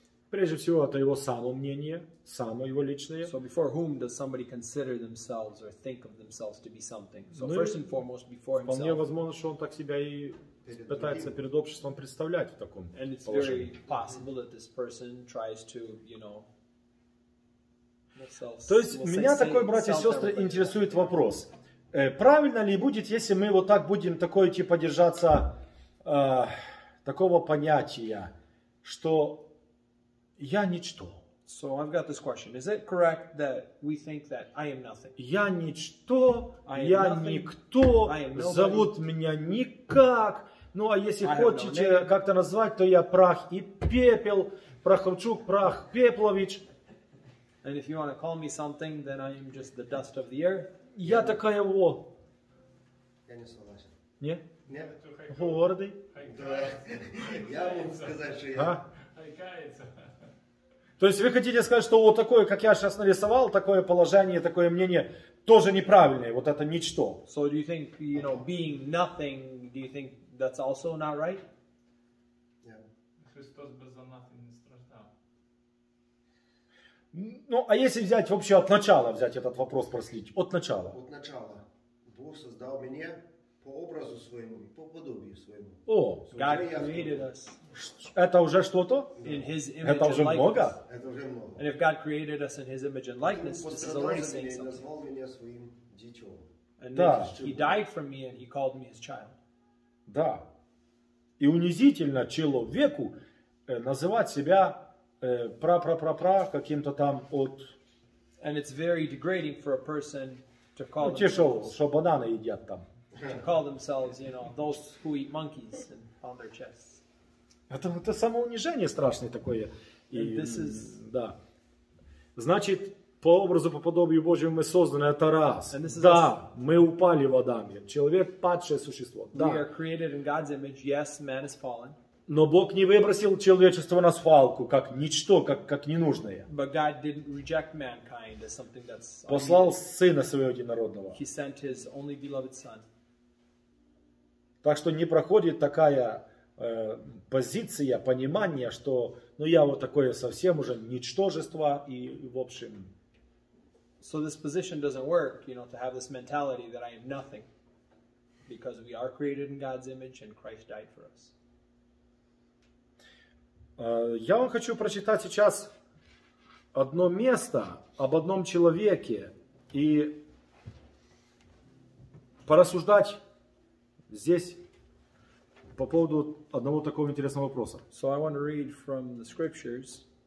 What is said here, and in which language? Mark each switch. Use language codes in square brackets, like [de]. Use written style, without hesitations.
[ru] Прежде всего, это его само мнение, само его личное. [en] So before whom does somebody consider themselves or think of themselves to be something? So [ru] ну, [en] first and foremost, before himself. [ru] Вполне возможно, что он так себя и пытается перед обществом представлять в таком [en] and it's [ru] положении. [en] Very possible that this person tries to, you know, themselves. [ru] То есть, [en] we'll [ru] меня такой, братья и сестры, интересует вопрос. Правильно ли будет, если мы вот так будем такое типа держаться такого понятия? Что я ничто. [en] So I've got this question. Is it correct that we think that I am nothing? [ru] Я ничто, я никто, зовут меня никак. Ну а если хотите как-то назвать, то я прах и пепел. Прахавчук, прах, пеплович. [en] And if you want to call me something, then I am just the dust of the earth. [ru] Я такая во. Я не согласен. Не? Не. Гордый. Да. Я могу сказать, что я... То есть вы хотите сказать, что вот такое, как я сейчас нарисовал, такое положение, такое мнение, тоже неправильное, вот это ничто. [en] So do you think, you know, being nothing, do you think that's also not right? Yeah. [ru] Христос бы за [en] nothing [ru] не страждал. Ну, а если взять вообще от начала, взять этот вопрос проследить, от начала? От начала. Бог создал меня по образу своему, по подобию своему. О, [en] God created us. [ru] Это уже что-то? [en] In his image [ru] это уже [en] and [ru] много? Это уже много. [en] And if God created us in his image and likeness, this is already saying something. [ru] Он назвал меня своим дитем. [en] And [ru] да. [en] He died for me and he called me his child. [ru] Да. И унизительно человеку называть себя пра-пра-пра-пра каким-то там от... [en] And it's very degrading for a person to call [ru] ну, [en] themselves... [ru] Те, что бананы едят там. [en] To call themselves, you know, those who eat monkeys and on their chests. [ru] Это самоунижение страшное такое. И, [en] and this is... [ru] Да. Значит, по образу, по подобию Божьему мы созданы, это раз. [en] And this is [ru] да, [en] us. [ru] Мы упали в Адаме. Человек падшее существо. Да. [en] We are created in God's image. Yes, man is fallen. [ru] Но Бог не выбросил человечество на свалку, как ничто, как ненужное. [en] But God didn't reject mankind as something that's... [ru] Послал Сына Своего Единородного. [en] He sent His only beloved Son. [ru] Так что не проходит такая позиция, понимание, что ну я вот такое совсем уже ничтожество и в общем... [en] So this position doesn't work, you know, to have this mentality that I am nothing. Because we are created in God's image and Christ died for us. [ru] Я вам хочу прочитать сейчас одно место об одном человеке и порассуждать здесь по поводу одного такого интересного вопроса. [en] So I want to read from the scriptures.